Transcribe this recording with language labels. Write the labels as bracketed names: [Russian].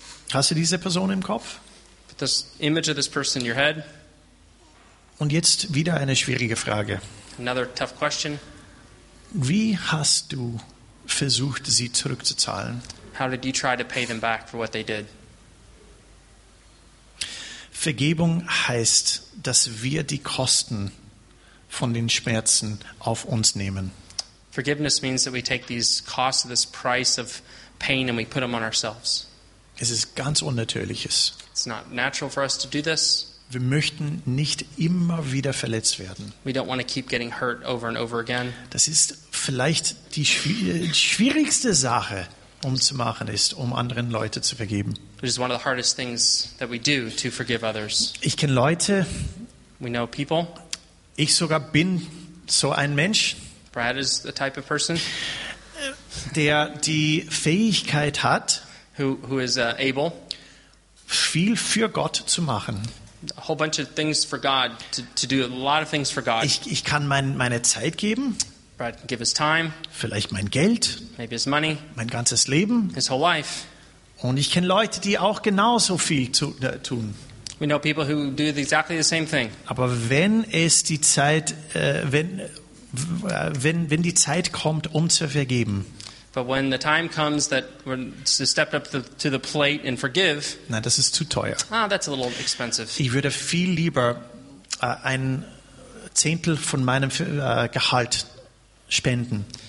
[German] Hast du diese Person im Kopf? [English] This image of this person in your head. [German] Und jetzt wieder eine schwierige Frage. [English] Another tough question. [German] Wie hast du versucht, sie zurückzuzahlen? [English] How did you try to pay them back for what they did? [German] Vergebung heißt, dass wir die Kosten von den Schmerzen auf uns nehmen. [English] Forgiveness means that we take these costs, this price of pain, and we put them on ourselves. [German] Es ist ganz Unnatürliches. [English] It's not natural for us to do this. [German] Wir möchten nicht immer wieder verletzt werden. [English] We don't want to keep getting hurt over and over again. [German] Das ist vielleicht die schwierigste Sache, zu machen, ist, anderen Leute zu vergeben. [English] It is one of the hardest things that we do to forgive others. [German] Ich kenne Leute. [English] We know people. [German] Ich sogar bin so ein Mensch. [English] Brad is the type of person. [German] Der die Fähigkeit hat. [English] Who is able. [German] Viel für Gott zu machen. [English] A whole bunch of things for God to do a lot of things for God. [German] Ich kann meine Zeit geben. [English] Brad can give his time. [German] Vielleicht mein Geld. [English] Maybe his money. [German] Mein ganzes Leben. [English] His whole life. [German] Und ich kenne Leute, die auch genauso viel tun. [English] We know people who do exactly the same thing. [German] Aber wenn es die Zeit, wenn die Zeit kommt, zu vergeben. [English] But when the time comes that we're to step up to the plate and forgive, [German] nein, das ist zu teuer. [English] Ah, that's a little expensive. [German] Ich würde viel lieber ein Zehntel von meinem Gehalt spenden.